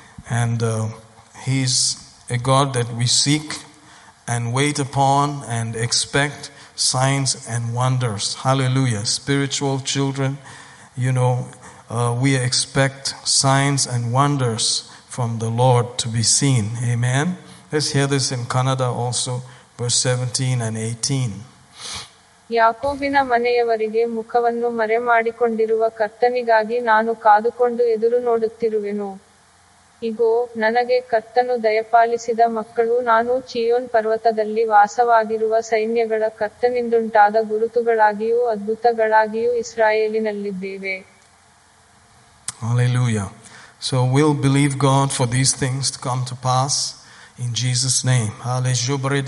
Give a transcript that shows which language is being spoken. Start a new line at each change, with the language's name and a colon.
English: And he's a God that we seek and wait upon and expect signs and wonders. Hallelujah. Spiritual children, you know, we expect signs and wonders from the Lord to be seen. Amen. Let's hear this in Kannada also, verse 17 and 18.
Kannada: ಯಾಕೋಬಿನ ಮನೆಯವರಿಗೆ ಮುಖವನ್ನು ಮರೆ ಮಾಡಿಕೊಂಡಿರುವ ಕರ್ತನಿಗಾಗಿ ನಾನು ಕಾದುಕೊಂಡು ಎದುರು ನೋಡುತ್ತಿರುವೆನು. ಇಗೋ, ನನಗೆ ಕರ್ತನು ದಯಪಾಲಿಸಿದ ಮಕ್ಕಳು, ನಾನು ಚಿಯೋನ್ ಪರ್ವತದಲ್ಲಿ ವಾಸವಾಗಿರುವ ಸೈನ್ಯಗಳ ಕರ್ತನಿಂದುಂಟಾದ ಗುರುತುಗಳಾಗಿಯೂ ಅದ್ಭುತಗಳಾಗಿಯೂ ಇಸ್ರಾಯೇಲಿನಲ್ಲಿದ್ದೇವೆ.
English: Hallelujah. So we'll believe God for these things to come to pass in Jesus' name. Hallelujah.